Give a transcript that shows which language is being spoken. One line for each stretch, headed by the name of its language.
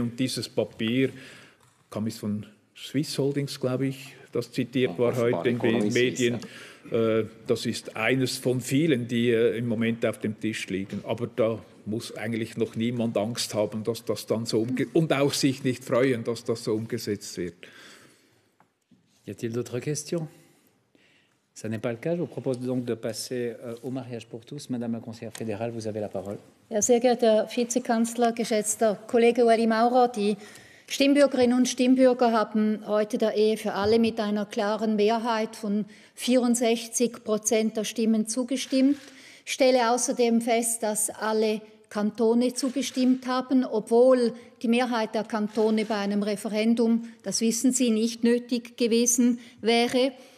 German: Und dieses Papier kam es von Swiss Holdings, glaube ich, das zitiert war heute in den Medien. Das ist eines von vielen, die im Moment auf dem Tisch liegen. Aber da muss eigentlich noch niemand Angst haben, dass das dann so und auch sich nicht freuen, dass das so umgesetzt wird.
French: Y a-t-il d'autres questions? Ça n'est pas le cas. Je vous propose donc de passer au mariage pour tous. Madame la conseillère fédérale, vous avez la parole.
German: Ja, sehr geehrter Vizekanzler, geschätzter Kollege Ueli Maurer, die Stimmbürgerinnen und Stimmbürger haben heute der Ehe für alle mit einer klaren Mehrheit von 64% der Stimmen zugestimmt. Ich stelle außerdem fest, dass alle Kantone zugestimmt haben, obwohl die Mehrheit der Kantone bei einem Referendum, das wissen Sie, nicht nötig gewesen wäre.